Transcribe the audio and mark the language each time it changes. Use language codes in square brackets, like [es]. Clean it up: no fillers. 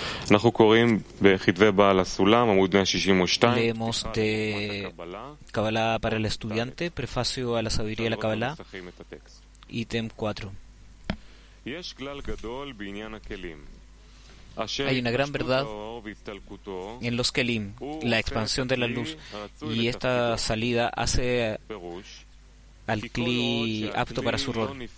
[he] אנחנו קוראים בכתבי בעל הסולם עמוד 162 [es] leemos de Kabbalah para el estudiante prefacio a la sabiduría de la Kabbalah ítem 4 [he] יש כלל גדול בעניין הכלים. [es] Hay una gran verdad en los kelim, la expansión de la luz, y esta salida hace al kli apto para su rol,